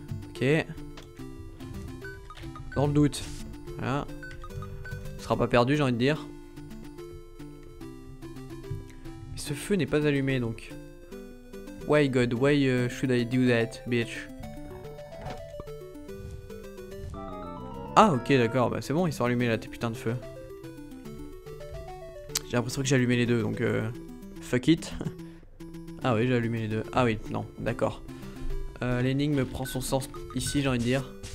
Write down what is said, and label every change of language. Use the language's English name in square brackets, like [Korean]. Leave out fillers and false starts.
[French] Ok. Dans le doute. Voilà. Ce sera pas perdu, j'ai envie de dire. Ce feu n'est pas allumé donc. [English] Why god, why should I do that, bitch? [French] Ah ok d'accord, bah c'est bon, ils sont allumés là tes putains de feux. J'ai l'impression que j'ai allumé les deux donc [English] fuck it. [French] Ah oui j'ai allumé les deux. Ah oui, non, d'accord. L'énigme prend son sens ici j'ai envie de dire.